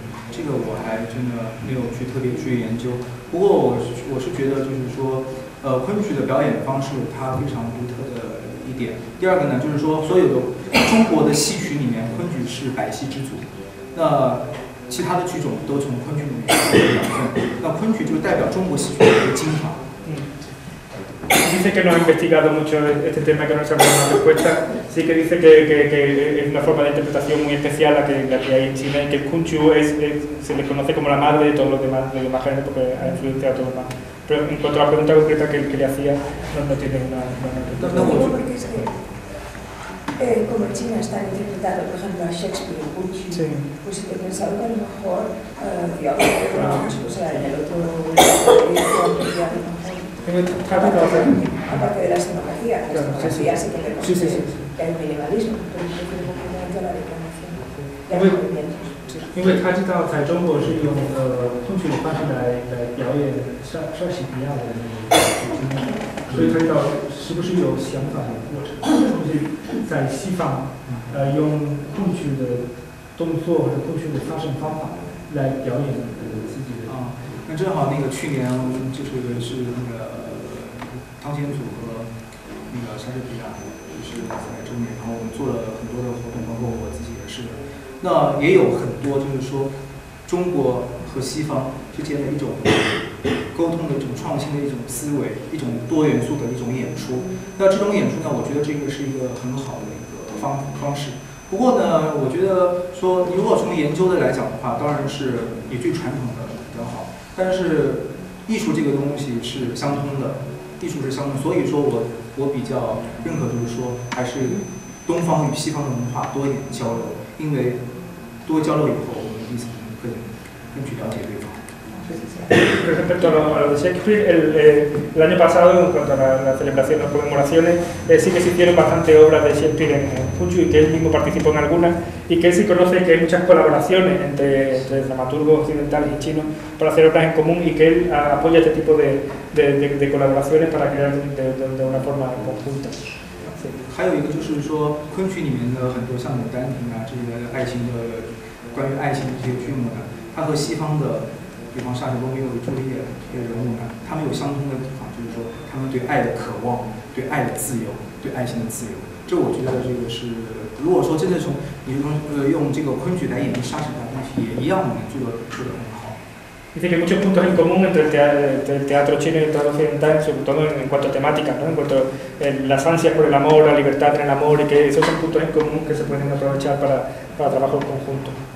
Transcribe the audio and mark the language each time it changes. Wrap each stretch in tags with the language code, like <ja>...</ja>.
<zh>这个我还真的没有去特别去研究。不过我是觉得，就是说，昆曲的表演方式它非常独特的一点。第二个呢，就是说，所有的中国的戏曲里面，昆曲是百戏之祖。那其他的剧种都从昆曲里面出现，那昆曲就代表中国戏曲的一个精华。</zh> <es>Dice que no ha investigado mucho este tema, que no se ha dado una respuesta. Sí que dice que es una forma de interpretación muy especial la que hay en China, y que el kunchu se le conoce como la madre de todos los demás, de los más grandes, porque ha influenciado a todos los demás. Pero en cuanto a la pregunta concreta que le hacía, no tiene una respuesta. No, porque es que, como en China está interpretado, por ejemplo, a Shakespeare, el kunchu, sí. Pues he pensado que a lo mejor, digamos, en el otro lado, aparte de la escenografía, la escenografía sí que le conoce, que hay un minimalismo, pero yo creo que no hay toda la declamación. Porque él sabe que en China se usa el kunchu de la manera de</es> <zh>剧在西方，用控制的动作和控制的发声方法来表演自己的。啊，那正好那个去年就是那个汤显祖和那个莎士比亚就是在中年，然后我们做了很多的活动，包括我自己也是。那也有很多就是说中国和西方之间的一种沟通的一种创新的一种思维，一种多元素的一种演出。那这种演出呢，我觉得这个是一个很好的一个方式。不过呢，我觉得说你如果从研究的来讲的话，当然是以最传统的比较好。但是艺术这个东西是相通的，艺术是相通，所以说我比较认可，就是说还是东方与西方的文化多一点交流，因为多交流以后，我们彼此更去了解对方。</zh> <es>Respecto a lo de Shakespeare, el año pasado, en cuanto a la celebración, las conmemoraciones, sí que se hicieron bastantes obras de Shakespeare en Punchu y que él mismo participó en algunas, y que él sí conoce que hay muchas colaboraciones entre dramaturgos occidentales y chinos para hacer obras en común, y que él apoya este tipo de colaboraciones para crear de una forma conjunta. Hay otro, que es que en Punchu hay muchos, como Dan Ting, sobre el amor, y</es> <zh>比方像《罗密欧与朱丽叶》这些人物呢，他们有相通的地方，就是说他们对爱的渴望、对爱的自由、对爱情的自由。这我觉得这个是，如果说真的从你用这个昆曲来演绎莎士比亚的东西，也一样能做得很好。</zh> <es>Dice que muchos puntos en común entre el teatro chino y el teatro occidental, sobre todo en cuanto a temáticas, ¿no? En cuanto a las ansias por el amor, la libertad en el amor, y que esos son puntos en común que se pueden aprovechar para trabajo en conjunto.</es>